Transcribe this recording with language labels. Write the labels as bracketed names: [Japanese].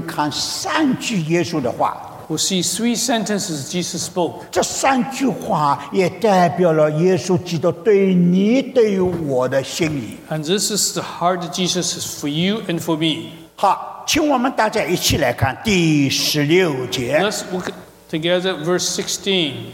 [Chinese] 今天早晨我给你们看三句耶稣的话。 [English] We'll see three sentences Jesus spoke. [Chinese] 这三句话也代表了耶稣基督对你对我的心意。 [English] And this is the heart of Jesus for you and for me. [Chinese] 好，请我们大家一起来看第十六节。 [English] Let's look together at verse 16.